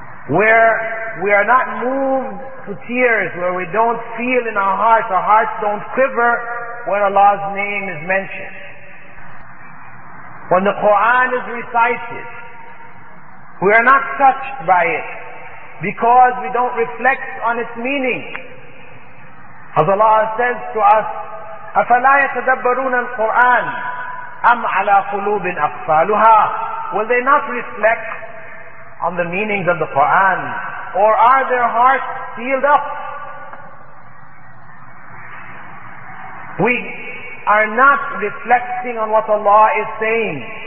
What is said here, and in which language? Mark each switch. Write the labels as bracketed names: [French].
[English] Where we are not moved to tears, where we don't feel in our hearts don't quiver when Allah's name is mentioned. When the Quran is recited, we are not touched by it because we don't reflect on its meaning. As Allah says to us, [Arabic] أَفَلَا يَتَدَبَّرُونَ الْقُرْآنِ أَمْ عَلَىٰ قُلُوبٍ أَقْفَالُهَا. [English] Will they not reflect on the meanings of the Quran? Or are their hearts sealed up? We are not reflecting on what Allah is saying.